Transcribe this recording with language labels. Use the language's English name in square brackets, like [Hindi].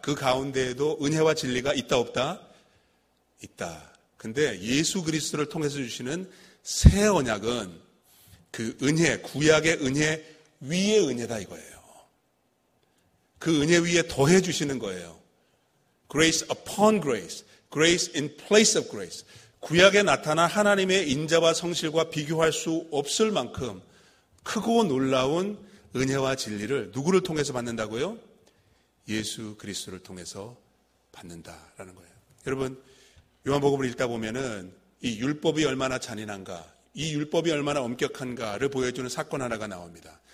[Korean] 그 가운데에도 은혜와 진리가 있다 없다? 있다. 근데 예수 그리스도를 통해서 주시는 새 언약은 그 은혜, 구약의 은혜 위에 은혜다 이거예요. 그 은혜 위에 더해 주시는 거예요. [English] Grace upon grace, grace in place of grace. [Korean] 구약에 나타난 하나님의 인자와 성실과 비교할 수 없을 만큼 크고 놀라운 은혜와 진리를 누구를 통해서 받는다고요? 예수 그리스도를 통해서 받는다라는 거예요. 여러분, 요한복음을 읽다 보면은 이 율법이 얼마나 잔인한가, 이 율법이 얼마나 엄격한가를 보여주는 사건 하나가 나옵니다.